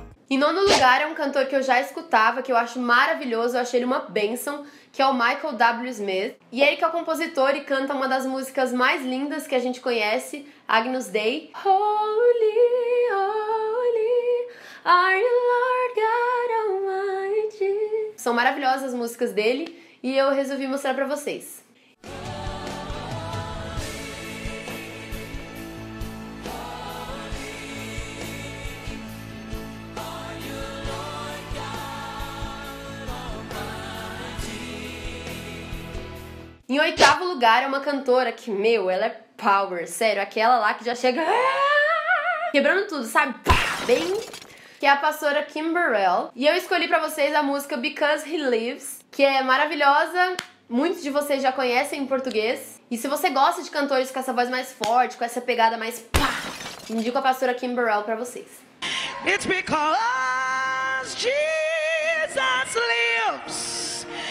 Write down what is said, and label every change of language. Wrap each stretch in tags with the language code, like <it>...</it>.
<pt>Em nono lugar é um cantor que eu já escutava, que eu acho maravilhoso, eu achei ele uma bênção, que é o Michael W. Smith. E ele que é o compositor e canta uma das músicas mais lindas que a gente conhece, Agnus Dei.</pt> <en>Holy, holy, are you Lord God Almighty.</en> <pt>São maravilhosas as músicas dele e eu resolvi mostrar pra vocês. Em oitavo lugar é uma cantora que, meu, ela é power, sério, aquela lá que já chega quebrando tudo, sabe? Bem, que é a pastora Kim Burrell. E eu escolhi pra vocês a música Because He Lives, que é maravilhosa, muitos de vocês já conhecem em português. E se você gosta de cantores com essa voz mais forte, com essa pegada mais pá, indico a pastora Kim Burrell pra vocês.</pt> <en>It's because Jesus lives.</en>